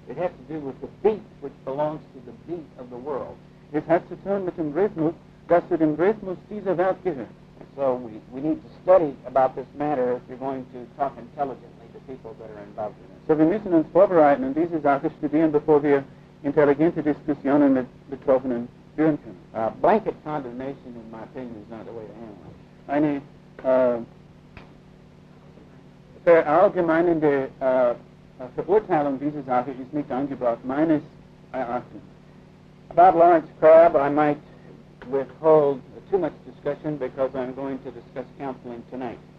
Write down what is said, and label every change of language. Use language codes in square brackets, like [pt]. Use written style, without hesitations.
[en] It has to do with the beat which belongs to the beat of the world. [de] Es hat zu tun mit dem Rhythmus, das zu dem Rhythmus dieser Welt gehört. [en] So we need to study about this matter if you're going to talk intelligently to people that are involved in it. [de] So wir müssen uns vorbereiten und diese Sache studieren, bevor wir intelligente Diskussionen mit Betroffenen führen können. [en] Blanket condemnation, in my opinion, is not the way to handle it. [de] Eine verallgemeinende Verurteilung dieser Sache ist nicht angebracht, meines Erachtens. [en] About Lawrence Crabb, I might withhold too much discussion because I'm going to discuss counseling tonight.